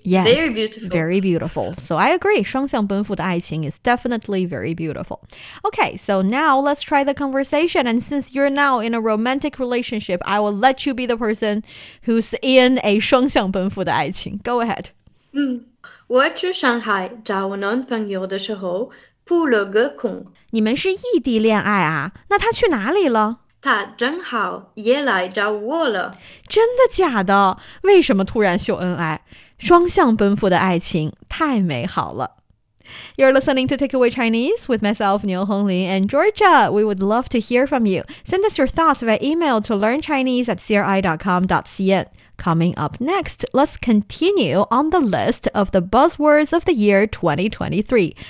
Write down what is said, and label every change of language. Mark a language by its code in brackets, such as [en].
[en] Yes, very beautiful. Very beautiful. So I agree. [zh] 双向奔赴的爱情 [en] is definitely very beautiful. Okay, so now let's try the conversation. And since you're now in a romantic relationship, I will let you be the person who's in a [zh] 双向奔赴的爱情. [en] Go ahead. [zh] 我去上海找我男朋友的时候扑了个空。你们是异地恋爱啊？那他去哪里了？他正好也来找我了。真的假的？为什么突然秀恩爱？双向奔赴的爱情太美好了。 [en] You're listening to Takeaway Chinese with myself, Niu Honglin, and Georgia. We would love to hear from you. Send us your thoughts via email to learnchinese@cri.com.cn. Coming up next, let's continue on the list of the buzzwords of the year 2023.